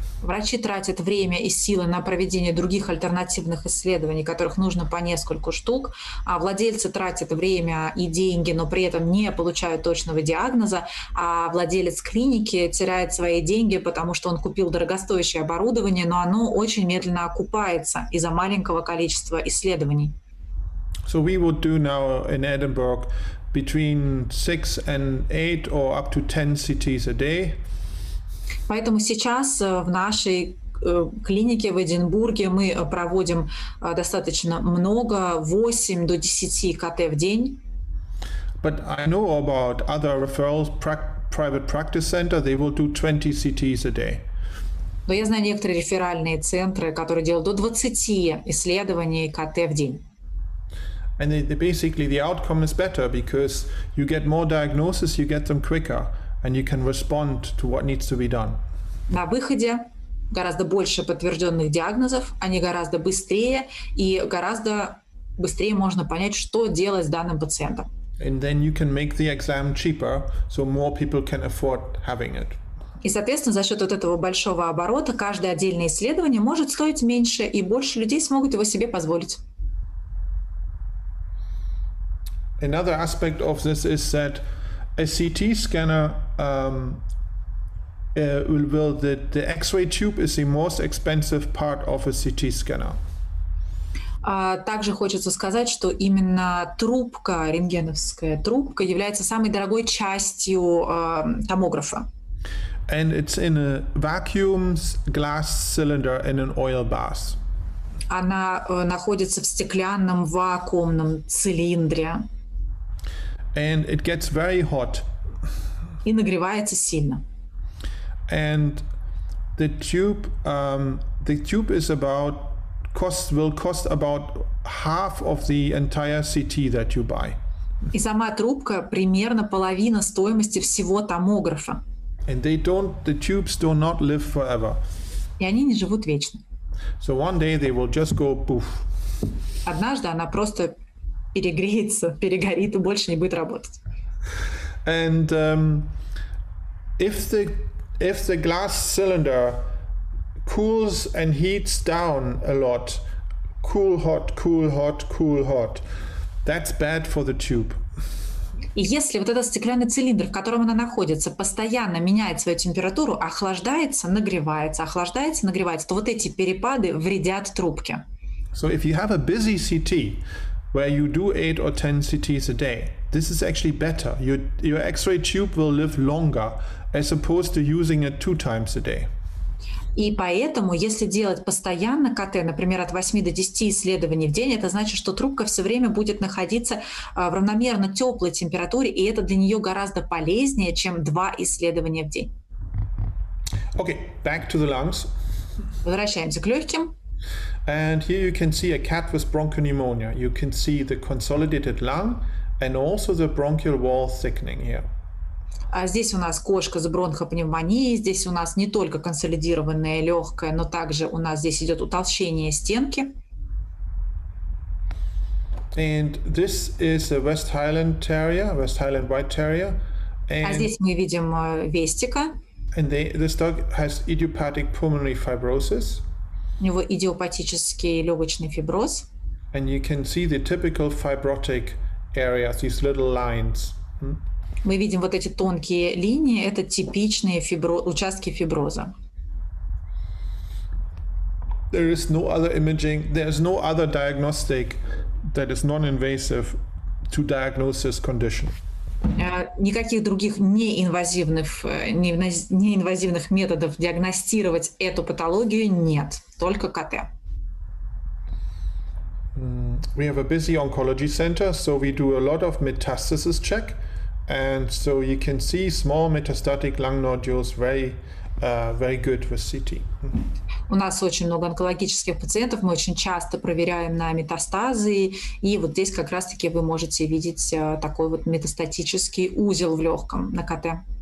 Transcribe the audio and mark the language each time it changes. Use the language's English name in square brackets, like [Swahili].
[Russian] Врачи тратят время и силы на проведение других альтернативных исследований, которых нужно по нескольку штук, а владельцы тратят время и деньги, но при этом не получают точного диагноза, а владелец клиники теряет свои деньги, потому что он купил дорогостоящее оборудование, но оно очень медленно окупается из-за маленького количества исследований. [English] So we would do now in Edinburgh between 6 and 8 or up to 10 CTs a day. [Russian] Поэтому сейчас в нашей клинике в Эдинбурге мы проводим достаточно много, 8 до 10 КТ в день. [English] But I know about other referrals, private practice center, they will do 20 CTs a day. [Russian] Но я знаю некоторые реферальные центры, которые делают до 20 исследований КТ в день. [English] And basically the outcome is better because you get more diagnosis, you get them quicker, and you can respond to what needs to be done. [Russian] На выходе гораздо больше подтвержденных диагнозов, они гораздо быстрее, и гораздо быстрее можно понять, что делать с данным пациентом. [English] And then you can make the exam cheaper, so more people can afford having it. [Russian] И, соответственно, за счет вот этого большого оборота каждое отдельное исследование может стоить меньше, и больше людей смогут его себе позволить. [English] Another aspect of this is that a CT scanner will the X-ray tube is the most expensive part of a CT scanner. [Russian] Также хочется сказать, что именно трубка, рентгеновская трубка, является самой дорогой частью томографа. [English] And it's in a vacuum glass cylinder in an oil bath. [Russian] Она находится в стеклянном вакуумном цилиндре. [English] And it gets very hot. [Russian] И нагревается сильно. [English] And the tube is about will cost about half of the entire CT that you buy. [Russian] И сама трубка примерно половина стоимости всего томографа. [English] And the tubes do not live forever. [Russian] И они не живут вечно. [English] So one day they will just go poof. [Russian] Однажды она просто перегреется, перегорит и больше не будет работать. [English] And if the glass cylinder cools and heats down a lot, cool, hot, cool, hot, cool, hot, that's bad for the tube. [Russian] И если вот этот стеклянный цилиндр, в котором она находится, постоянно меняет свою температуру, охлаждается, нагревается, то вот эти перепады вредят трубке. [English] So if you have a busy CT, where you do 8 or 10 CTs a day, this is actually better. Your X-ray tube will live longer as opposed to using it 2 times a day. [Russian] И поэтому, если делать постоянно КТ, например, от 8 до 10 исследований в день, это значит, что трубка все время будет находиться в равномерно теплой температуре, и это для нее гораздо полезнее, чем 2 исследования в день. [English] Okay, back to the lungs. [Russian] Возвращаемся к легким. [English] And here you can see a cat with bronchopneumonia. You can see the consolidated lung and also the bronchial wall thickening here. [Russian] А здесь у нас кошка с бронхопневмонией, здесь у нас не только консолидированное легкое, но также у нас здесь идет утолщение стенки. [English] And this is a West Highland Terrier, West Highland White Terrier. And [Russian] а здесь мы видим вестика. [English] And this dog has idiopathic pulmonary fibrosis. [Russian] У него идиопатический легочный фиброз. [English] And you can see the typical fibrotic areas, these little lines. [Russian] Мы видим вот эти тонкие линии, это типичные участки фиброза. [English] There is no other imaging, there is no other diagnostic that is non-invasive to diagnose this condition. [Russian] Никаких других неинвазивных методов диагностировать эту патологию нет, только КТ. [English] We have a busy oncology center, so we do a lot of metastasis check. And so you can see small metastatic lung nodules very good with CT. [Russian] У нас очень много онкологических пациентов, мы очень часто проверяем на метастазы, и вот здесь как раз-таки вы можете видеть такой вот метастатический узел в легком на КТ.